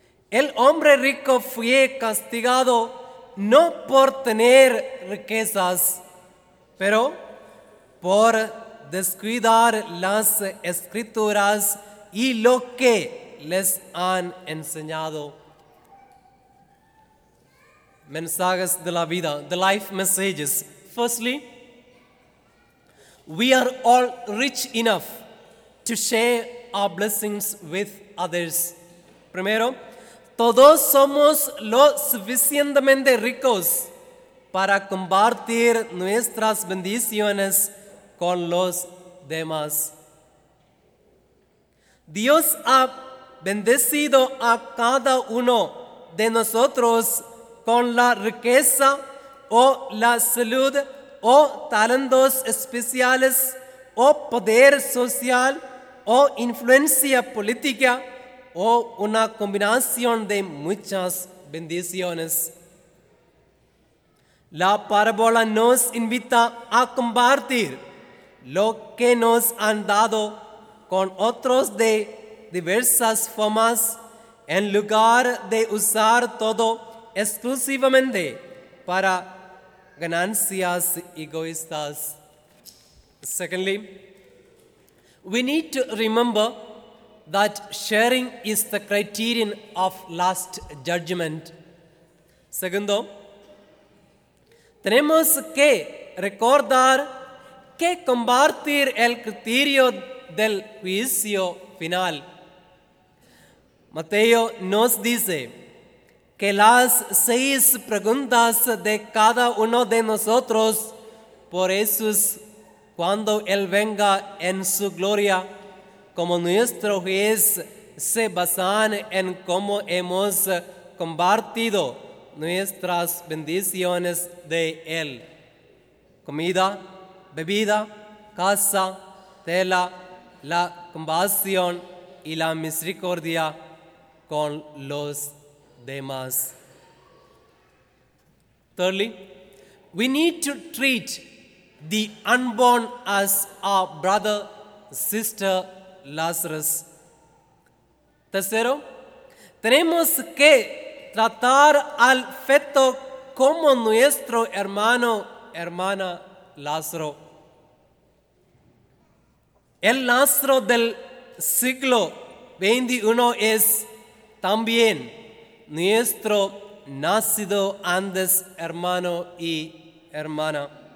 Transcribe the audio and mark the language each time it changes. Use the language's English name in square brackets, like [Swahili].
[Spanish] El hombre rico fue castigado no por tener riquezas, pero por descuidar las escrituras y lo que les han enseñado. Mensajes de la vida, [English] the life messages. Firstly, we are all rich enough to share our blessings with others. [Spanish] Primero, todos somos lo suficientemente ricos para compartir nuestras bendiciones con los demás. Dios ha bendecido a cada uno de nosotros con la riqueza o la salud o talentos especiales, o poder social, o influencia política, o una combinación de muchas bendiciones. La parábola nos invita a compartir lo que nos han dado con otros de diversas formas, en lugar de usar todo exclusivamente para ganancias egoístas. [English] Secondly, we need to remember that sharing is the criterion of last judgment. [Spanish] Segundo, tenemos que recordar que compartir el criterio del juicio final. Mateo nos dice que las seis preguntas de cada uno de nosotros por Jesús cuando Él venga en su gloria como nuestro juez se basan en cómo hemos compartido nuestras bendiciones de Él. Comida, bebida, casa, tela, la compasión y la misericordia con los demás. [English] Thirdly, we need to treat the unborn as our brother, sister, Lazarus. [Spanish] Tercero, tenemos que tratar al feto como nuestro hermano, hermana Lázaro. El Lázaro del siglo 21 es también nuestro nacido antes hermano y hermana.